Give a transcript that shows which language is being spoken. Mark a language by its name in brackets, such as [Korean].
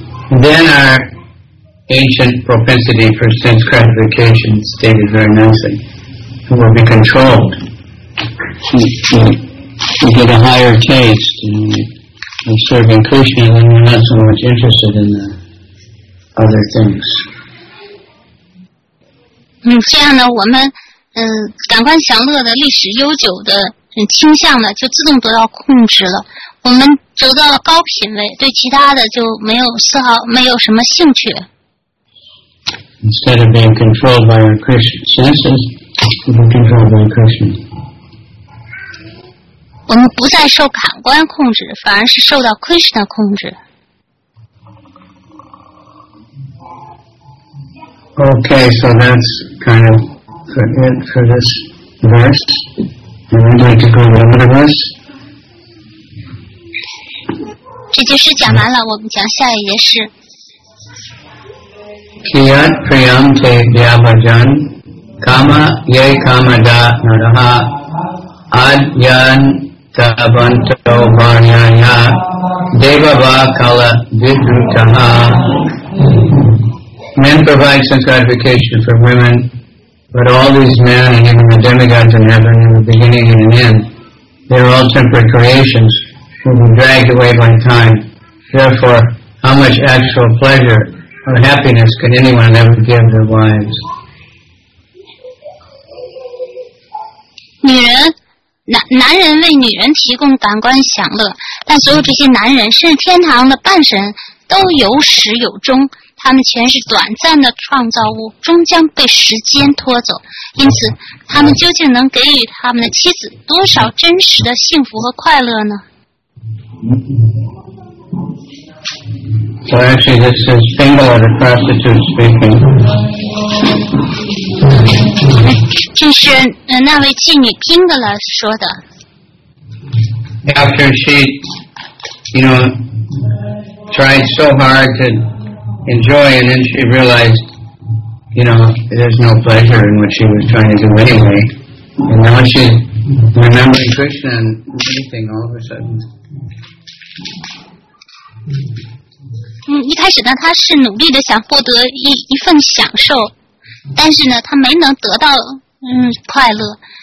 [English] Then our ancient propensity for sense gratification stated very nicely will be controlled. You get a higher taste in serving Krishna, then you're not so much interested in the other things. [Chinese] 这样呢，我们感官享乐的历史悠久的倾向呢，就自动得到控制了。我们得到了高品位，对其他的就没有丝毫没有什么兴趣。 [English] Instead of being controlled by our Krishna senses, we are controlled by Krishna. [Chinese] 我们不再受感官控制，反而是受到 Krishna 的控制。 [English] Okay, so that's kind of for it for this verse. And we'd like to go to another verse. [Chinese] 这就是讲完了，我们讲下一页是。 [Sanskrit] Kiyat priyam te vyabhajan kama ye kama da naraha adyan tabanto vanyaya devava kala vidrutaha. [English] Men provide sense gratification for women, but all these men, and even the demigods in heaven, in the beginning and the end, they are all temporary creations who will be dragged away by time. Therefore, how much actual pleasure or happiness can anyone ever give their wives? [Chinese] 女人 男人为女人提供感官享乐，但所有这些男人甚至天堂的半神都有始有终。他们全是短暂的创造物，终将被时间拖走。因此，他们究竟能给予他们的妻子多少真实的幸福和快乐呢？ [English] So actually this is Pingala, the prostitute, speaking. [Chinese] 这是那位妓女Pingala说的。 [English] After she, you know, tried so hard to enjoy, and then she realized, you know, there's no pleasure in what she was trying to do anyway. And now she's remembering Krishna and anything all of a sudden. [Chinese] 一开始呢，他是努力的想获得一份享受，但是呢，他没能得到快乐。